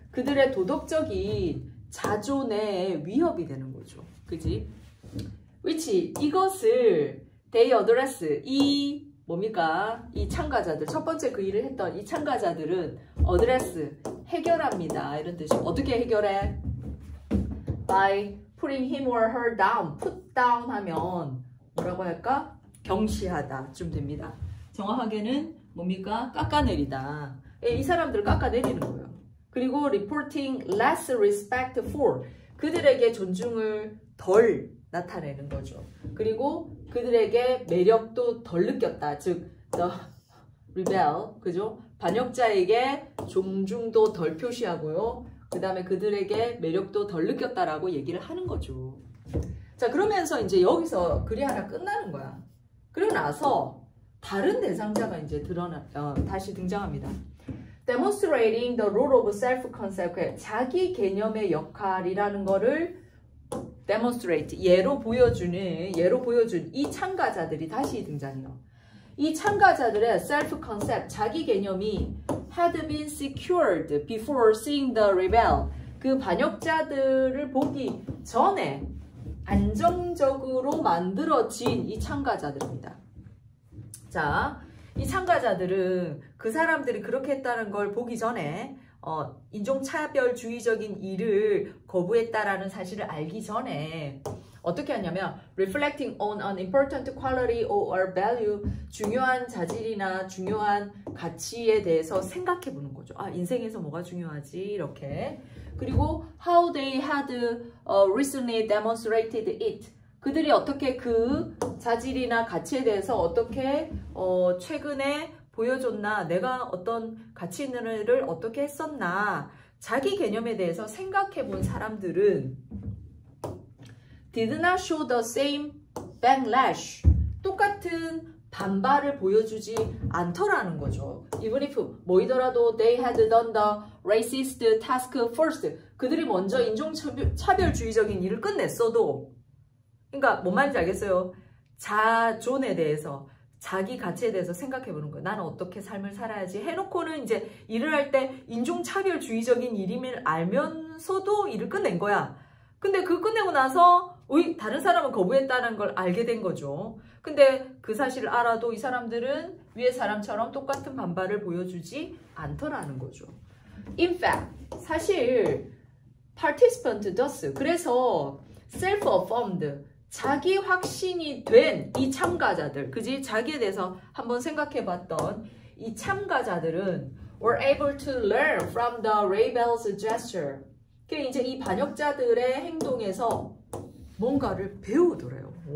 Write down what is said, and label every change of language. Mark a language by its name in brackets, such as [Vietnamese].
[Korean] 그들의 도덕적인 자존의 위협이 되는 거죠. 그치? [English] Which [Korean] 이것을 [English] they address 이 뭡니까? [Korean] 이 참가자들 첫 번째 그 일을 했던 이 참가자들은 address 해결합니다. 이런 뜻이 어떻게 해결해? [English] By putting him or her down put down [Korean] 하면 뭐라고 할까? 경시하다 좀 됩니다. 정확하게는 뭡니까? 깎아내리다. 예, 이 사람들을 깎아내리는 거예요. 그리고 [English] reporting less respect for [Korean] 그들에게 존중을 덜 나타내는 거죠. 그리고 그들에게 매력도 덜 느꼈다. 즉 [English] the rebel [Korean] 그죠? 반역자에게 존중도 덜 표시하고요. 그 다음에 그들에게 매력도 덜 느꼈다라고 얘기를 하는 거죠. 자 그러면서 이제 여기서 글이 하나 끝나는 거야. 그리고 나서 다른 대상자가 이제 다시 등장합니다. [English] Demonstrating the role of self-concept, [Korean] 자기 개념의 역할이라는 거를 demonstrate, 예로 보여준 이 참가자들이 다시 등장해요. 이 참가자들의 [English] self-concept, [Korean] 자기 개념이 [English] had been secured before seeing the rebel. [Korean] 그 반역자들을 보기 전에 안정적으로 만들어진 이 참가자들입니다. 자, 이 참가자들은 그 사람들이 그렇게 했다는 걸 보기 전에 인종차별주의적인 일을 거부했다라는 사실을 알기 전에 어떻게 하냐면 [English] reflecting on an important quality or value, [Korean] 중요한 자질이나 중요한 가치에 대해서 생각해 보는 거죠. 아, 인생에서 뭐가 중요하지? 이렇게. [English] 그리고 how they had recently demonstrated it. [Korean] 그들이 어떻게 그 자질이나 가치에 대해서 어떻게 최근에 보여줬나, 내가 어떤 가치 있는 일을 어떻게 했었나, 자기 개념에 대해서 생각해 본 사람들은 [English] did not show the same backlash, [Korean] 똑같은 반발을 보여주지 않더라는 거죠. Even if 뭐이더라도 [English] they had done the racist task first, [Korean] 그들이 먼저 인종차별주의적인 일을 끝냈어도, 그러니까 뭔 말인지 알겠어요? 자존에 대해서, 자기 가치에 대해서 생각해 보는 거예요. 나는 어떻게 삶을 살아야지 해놓고는 이제 일을 할 때 인종차별주의적인 일임을 알면서도 일을 끝낸 거야. 근데 그 끝내고 나서 다른 사람은 거부했다는 걸 알게 된 거죠. 근데 그 사실을 알아도 이 사람들은 위에 사람처럼 똑같은 반발을 보여주지 않더라는 거죠. [English] In fact, [Korean] 사실 [English] participant does. [Korean] 그래서 self-affirmed, 자기 확신이 된 이 참가자들, 그지? 자기에 대해서 한번 생각해 봤던 이 참가자들은 [English] were able to learn from the rebel's gesture. [Korean] 그 이제 이 반역자들의 행동에서 뭔가를 배우더래요.